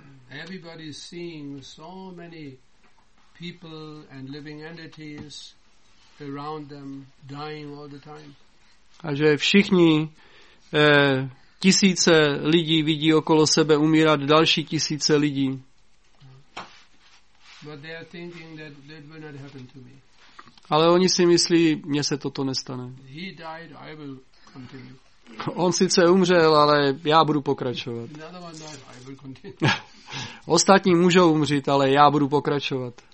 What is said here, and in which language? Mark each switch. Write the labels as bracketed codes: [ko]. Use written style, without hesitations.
[en] Everybody is seeing so many people and living entities around them dying all the time. [cs] A že všichni tisíce lidí vidí okolo sebe umírat další tisíce lidí. [en] But they are thinking that it will not happen to me. [cs] Ale oni si myslí, mně se toto nestane. [en] He died, I will continue. [cs] On sice umřel, ale já budu pokračovat. [en] Another one died, I will continue. [cs] Ostatní můžou umřít, ale já budu pokračovat.